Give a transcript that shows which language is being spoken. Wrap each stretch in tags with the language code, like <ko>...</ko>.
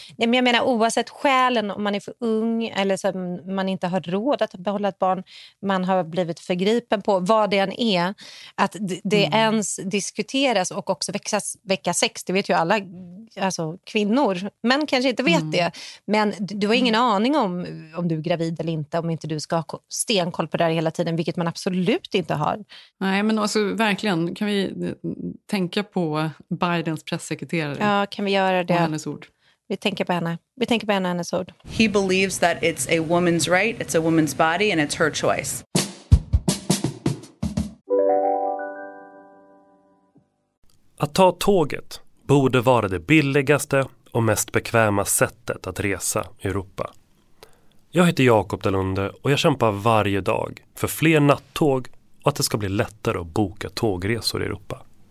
<sv>Nej, men jag menar, oavsett skälen, om man är för ung eller så, man inte har råd att behålla ett barn, man har blivit förgripen på, vad det än är, att det ens diskuteras och också växas vecka 6, det vet ju alla, alltså kvinnor, män kanske inte vet det, men du har ingen aning om du är gravid eller inte, om inte du ska ha stenkoll på det hela tiden, vilket man absolut inte har. Nej, men alltså verkligen, kan vi tänka på Bidens pressekreterare? Ja, kan vi göra det? På hennes ord. Vi tänker på henne. Vi tänker på henne, hennes ord.</sv> <en>He believes that it's a woman's right, it's a woman's body and it's her choice.</en> <sv>Att ta tåget borde vara det billigaste och mest bekväma sättet att resa i Europa. Jag heter Jakob Dalunde och jag kämpar varje dag för fler nattåg och att det ska bli lättare att boka tågresor i Europa.</sv>